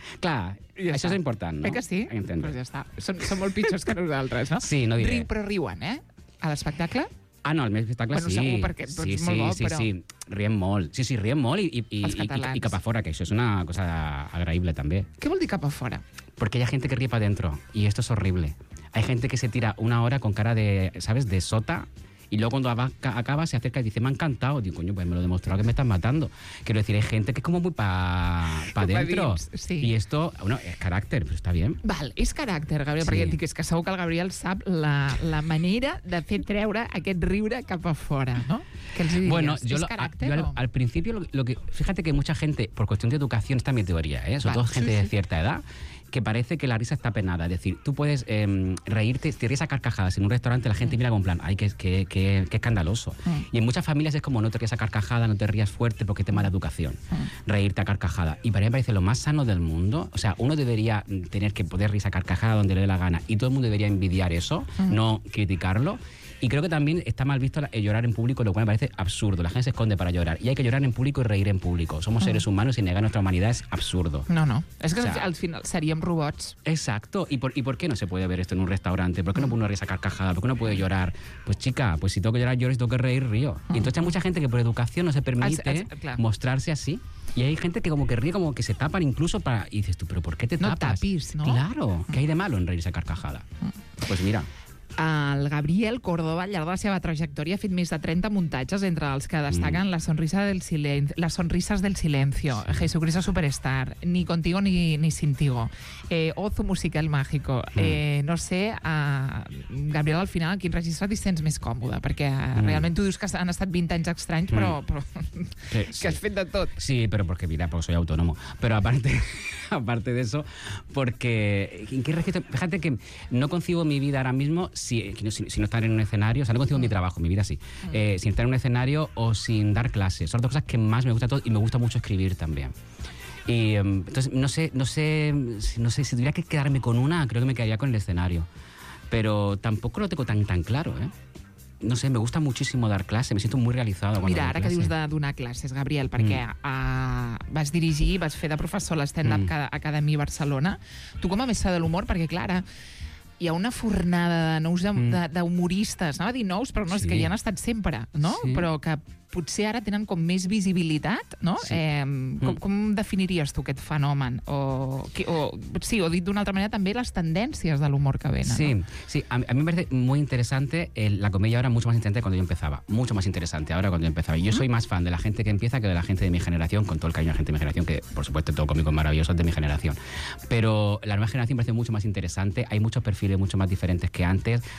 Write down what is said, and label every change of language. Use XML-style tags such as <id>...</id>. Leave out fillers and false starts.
<ca>Clar, ja això està. És important, no? Eh que sí? Entendre. Però ja està. Són molt pitjors que nosaltres, no? Sí, no diré. Riu, però riuen, eh? A l'espectacle... Ah, no, al meu espectacle bueno, sí. Bueno, segur, perquè tu sí, ets sí, molt bo, sí, però... Sí, riem molt. Sí, riem molt i cap a fora, que això és una cosa agraïble, també. Què vol dir cap a fora?</ca> <es>Porque hay gente que ríe para adentro, y esto es horrible. Hay gente que se tira una hora con cara de, ¿sabes?, de sota, Y luego cuando acaba, se acerca y dice, me ha encantado. Digo, coño, pues me lo he demostrado que me están matando. Quiero decir, hay gente que es como muy pa dentro. Sí. Y esto, bueno, es carácter, pero está bien.</es> <ca>Val, és caràcter, Gabriel, sí. Perquè et dic, és que segur que el Gabriel sap la manera de fer treure aquest riure cap a fora, no? Que els diries, bueno, és caràcter. Al principi,</ca> <es>fíjate que mucha gente, por cuestión de educación, esta es mi teoría, ¿eh? Sobre todo gente de cierta edad, que parece que la risa está penada. Es decir, tú puedes reírte, si ríes a carcajadas en un restaurante, la gente mira con plan, ay, qué escandaloso. Y en muchas familias es como, no te rías a carcajadas, no te rías fuerte porque es tema de educación, reírte a carcajada. Y para mí me parece lo más sano del mundo. O sea, uno debería tener que poder reírse a carcajada donde le dé la gana y todo el mundo debería envidiar eso, no criticarlo. Y creo que también está mal visto llorar en público, lo cual me parece absurdo. La gente se esconde para llorar. Y hay que llorar en público y reír en público. Somos seres humanos y negar nuestra humanidad es absurdo. No, no. Es que, o sea, al final seríamos robots. Exacto. ¿Y por qué no se puede ver esto en un restaurante? ¿Por qué no puede reír esa carcajada? ¿Por qué no puede llorar? Pues chica, pues si tengo que llorar, lloro, si tengo que reír, río. Y entonces hay mucha gente que por educación no se permite mostrarse así. Y hay gente que como que ríe, como que se tapan incluso para... Y dices tú, ¿pero por qué te tapas? No tapis, ¿no? Claro. ¿Qué hay de malo en reír esa carcajada? Pues mira...</es> <ca>El Gabriel Córdoba, al llarg de la seva trajectòria, ha fet més de 30 muntatges, entre els que destaquen Las Sonrisas del Silencio, sí. Jesucristo Superstar, Ni Contigo ni Sintigo, Ozu Musical Mágico. No sé, Gabriel, al final, quin registre t'hi sents més còmode? Perquè realment tu dius que han estat 20 anys estranys, però sí, que has fet de tot. Sí, però perquè mira, perquè</ca> <es>soy autónomo.</es> <ca>Però</ca> <es>aparte de eso, porque... ¿En qué registro? Fíjate que no concibo mi vida ahora mismo si no estar en un escenario, o sea, no concibo mi trabajo, mi vida sí, sin estar en un escenario o sin dar clases. Son las dos cosas que más me gusta todo y me gusta mucho escribir también. Y entonces, no sé, si tuviera que quedarme con una, creo que me quedaría con el escenario. Pero tampoco lo tengo tan claro, ¿eh? No sé, me gusta muchísimo dar clase, me siento muy realizado cuando doy clase. Mira,</es> <ca>ara que dius de donar classes, Gabriel, perquè vas dirigir, vas fer de professor a l'Stand-up Academy Barcelona. Tu com a mestre de l'humor, perquè clar, hi ha una fornada de nous d'humoristes, anava a dir nous, però no, sí. És que hi han estat sempre, no? Sí. Però que potser ara tenen com més visibilitat, no? Sí. Com definiries tu aquest fenomen? O dit d'una altra manera, també les tendències de l'humor que venen. Sí, no? Sí.</ca> <es>A mi me parece muy interesante la comedia ahora, mucho más interesante cuando yo empezaba. Mucho más interesante ahora cuando yo empezaba. Yo soy más fan de la gente que empieza que de la gente de mi generación, con todo el cariño a la gente de mi generación, que por supuesto todo cómico maravilloso es de mi generación. Pero la nueva generación me parece mucho más interesante. Hay muchos perfiles mucho más diferentes que antes.</es>